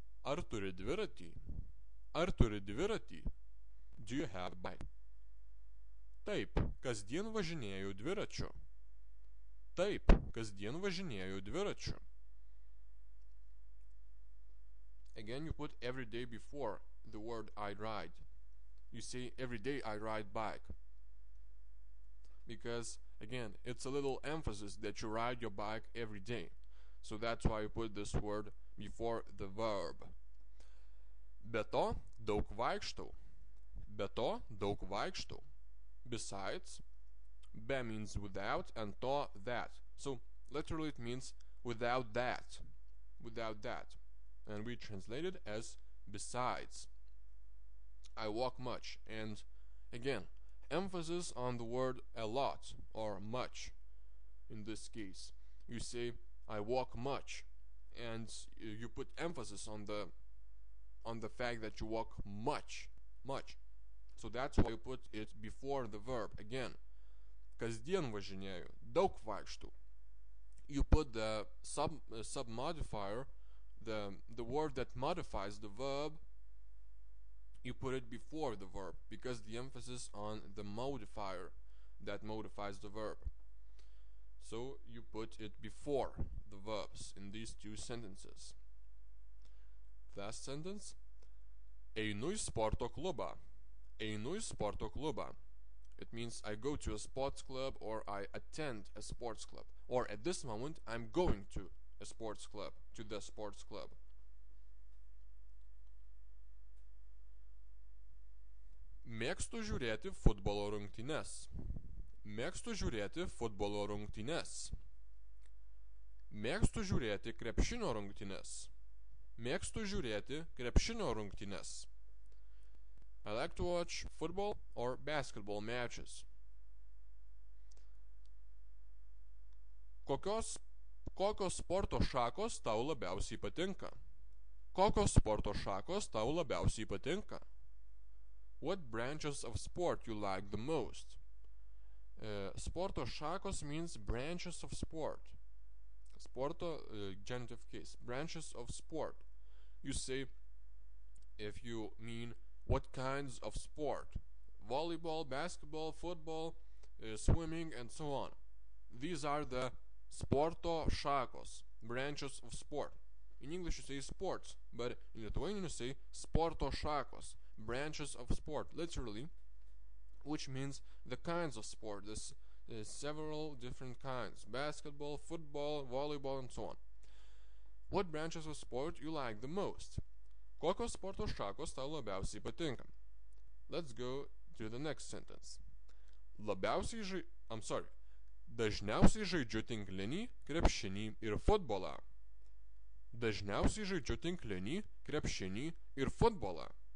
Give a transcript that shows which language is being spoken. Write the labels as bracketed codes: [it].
[lt] Ar turi dviratį? Ar turi dviratį? [en] Do you have a bike? [lt] Taip, kasdien važinėjau dviračiu. Taip, kasdien važinėjau dviračiu. [en] Again, you put every day before the word I ride. You say every day I ride bike. Because, again, it's a little emphasis that you ride your bike every day. So that's why you put this word before the verb. [lt] Be to, daug vaikštau. Be to, daug vaikštau. [en] Besides, be means without and to, that. So, literally it means without that. Without that. And we translate it as besides. I walk much. And again, emphasis on the word a lot or much in this case. You say I walk much, and you put emphasis on the fact that you walk much. So that's why you put it before the verb. Again, [lt] kasdien važinėju, daug vaikštu. [en] You put the submodifier, the word that modifies the verb, you put it before the verb, because the emphasis on the modifier that modifies the verb. So you put it before the verbs in these two sentences. Last sentence: [lt] einu į sporto klubą. Einu į sporto klubą. [en] It means I go to a sports club, or I attend a sports club, or at this moment I'm going to a sports club, to the sports club. [lt] Mėgstu žiūrėti futbolo rungtynes. Mėgstu žiūrėti futbolo rungtynes. Mėgstu žiūrėti krepšinio rungtynes. Mėgstu žiūrėti krepšinio rungtynes. [en] I like to watch football or basketball matches. [lt] Kokios sporto šakos tau labiausiai patinka? Kokios sporto šakos tau labiausiai patinka? [en] What branches of sport you like the most? [lt] Sporto šakos [en] means branches of sport. Sporto, genitive case, branches of sport. You say, if you mean what kinds of sport? Volleyball, basketball, football, swimming, and so on. These are the sporto šakos, branches of sport. In English you say sports, but in Lithuanian you say sporto šakos, branches of sport, literally, which means the kinds of sport. There's several different kinds: basketball, football, volleyball, and so on. What branches of sport you like the most? [lt] Kokios sporto šakos tau labiausiai patinka? [en] Let's go to the next sentence. [lt] Dažniausiai žaidžiu tinklinį, krepšinį ir futbolą. Dažniausiai žaidžiu tinklinį, krepšinį ir futbolą.